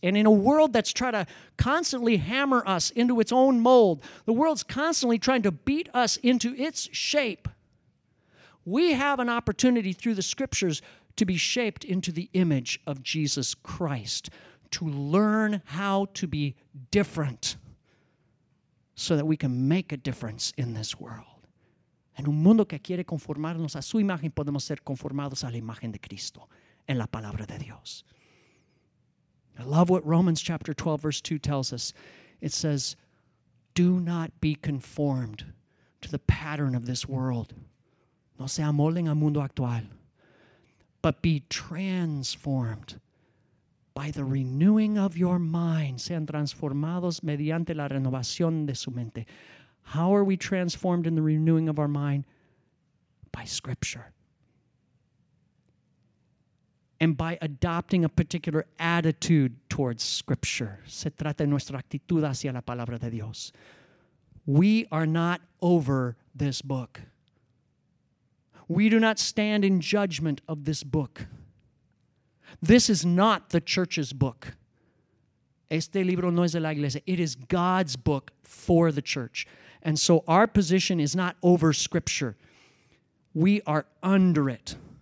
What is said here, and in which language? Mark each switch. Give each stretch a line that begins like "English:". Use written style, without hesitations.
English: And in a world that's trying to constantly hammer us into its own mold, the world's constantly trying to beat us into its shape, we have an opportunity through the Scriptures to be shaped into the image of Jesus Christ, to learn how to be different so that we can make a difference in this world.
Spanish: En un mundo que quiere conformarnos a su imagen, podemos ser conformados a la imagen de Cristo en la palabra de Dios.
English: I love what Romans chapter 12, verse 2 tells us. It says, do not be conformed to the pattern of this world.
Spanish: No se amolden al mundo actual,
English: but be transformed by the renewing of your mind.
Spanish: Sean transformados mediante la renovación de su mente.
English: How are we transformed in the renewing of our mind? By Scripture. And by adopting a particular attitude towards Scripture.
Spanish: Se trata de nuestra actitud hacia la palabra de Dios.
English: We are not over this book. We do not stand in judgment of this book. This is not the church's book.
Spanish: Este libro no es de la iglesia.
English: It is God's book for the church. And so our position is not over Scripture. We are under it.